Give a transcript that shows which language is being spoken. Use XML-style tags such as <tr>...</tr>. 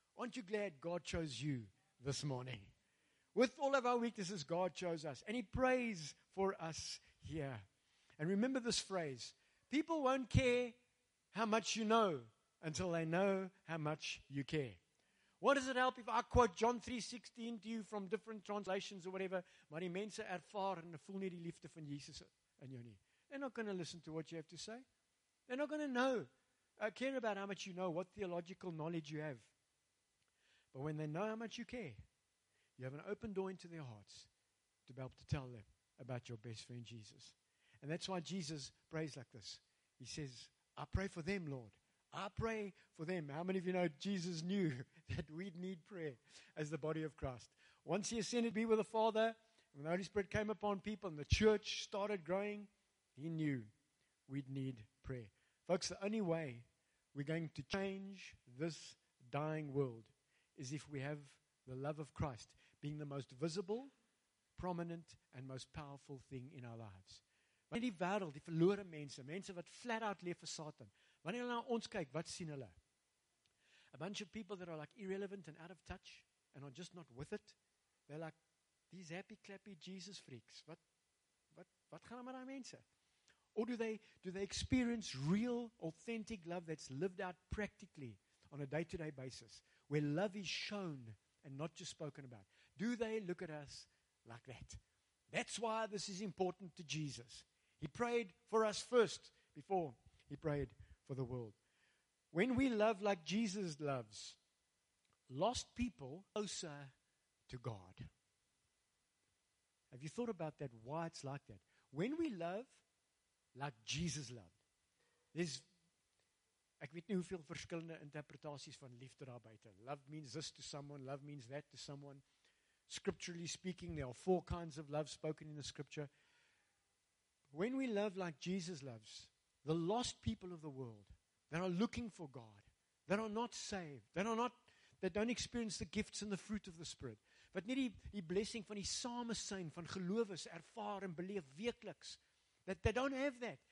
<en>Aren't you glad God chose you this morning? With all of our weaknesses, God chose us. And he prays for us here. And remember this phrase, people won't care how much you know until they know how much you care. What does it help if I quote John 3:16 to you from different translations or whatever?</en> <af>Maar die mense ervaar en voel nie die liefde van Jesus in jou nie.</af> <en>They're not going to listen to what you have to say. They're not going to know. I care about how much you know, what theological knowledge you have. But when they know how much you care, you have an open door into their hearts to be able to tell them about your best friend Jesus. And that's why Jesus prays like this. He says, I pray for them, Lord. I pray for them. How many of you know Jesus knew that we'd need prayer as the body of Christ? Once he ascended to be with the Father, and the Holy Spirit came upon people and the church started growing, he knew we'd need prayer. Folks, the only way we're going to change this dying world is if we have the love of Christ being the most visible, prominent, and most powerful thing in our lives.</en> <af>Wanneer die wêreld, die verlore mense, mense wat</af> <en>flat out</en> <af>leef vir Satan, wanneer hulle na ons kyk, wat sien hulle?</af> <en>A bunch of people that are like irrelevant and out of touch and are just not with it. They're like these happy clappy Jesus freaks.</en> <af>Wat gaan met daai mense?</af> <en>Or do they experience real, authentic love that's lived out practically on a day-to-day basis, where love is shown and not just spoken about? Do they look at us like that? That's why this is important to Jesus. He prayed for us first before he prayed for the world. When we love like Jesus loves, lost people closer to God. Have you thought about that? Why it's like that? When we love like Jesus loved.</en> <af>There's, ek weet nie hoeveel verskillende interpretaties van liefde daar buiten.</af> <en>Love means this to someone, love means that to someone. Scripturally speaking, there are 4 kinds of love spoken in the scripture. When we love like Jesus loves, the lost people of the world that are looking for God, that are not saved, that don't experience the gifts and the fruit of the Spirit, but</en> <af>nie die blessing van die samesyn van gelowes ervaar en beleef weekliks,</af> <en>that they don't have that.</en>